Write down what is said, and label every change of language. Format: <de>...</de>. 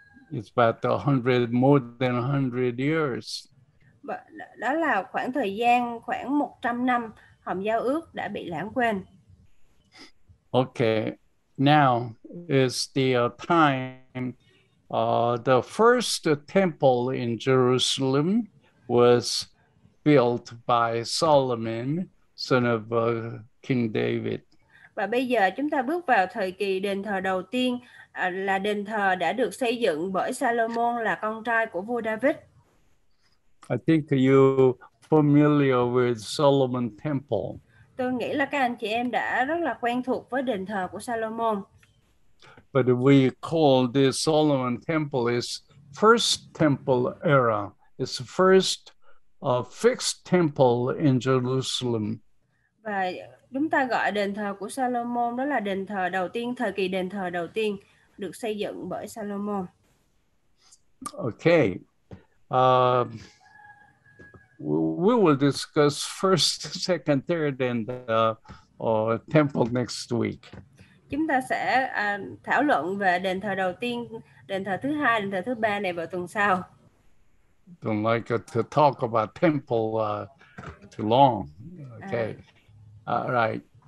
<en>It's about 100 more than 100 years.</en> <vi>Đó là khoảng thời gian khoảng 100 năm hòm giao ước đã bị lãng quên.</vi> <en>Okay. Now is the time the first temple in Jerusalem was built by Solomon, son of King David.</en> <vi>Và bây giờ chúng ta bước vào thời kỳ đền thờ đầu tiên, là đền thờ đã được xây dựng bởi Solomon, là con trai của vua David.</vi> <en>I think you're familiar with Solomon Temple.</en> <vi>Tôi nghĩ là các anh chị em đã rất là quen thuộc với đền thờ của Solomon.</vi> <en>But we call the Solomon Temple is first temple era. It's the first fixed temple in Jerusalem.</en> <vi>Và chúng ta gọi đền thờ của Solomon đó là đền thờ đầu tiên, thời kỳ đền thờ đầu tiên được xây dựng bởi Solomon.</vi> <en>Okay. We will discuss first, second, third, and temple next week.</en> <vi>Chúng ta sẽ thảo luận về đền thờ đầu tiên, đền thờ thứ hai, đền thờ thứ ba này vào tuần sau.</vi> <en>Don't like to talk about temple too long. Okay. All right.</en>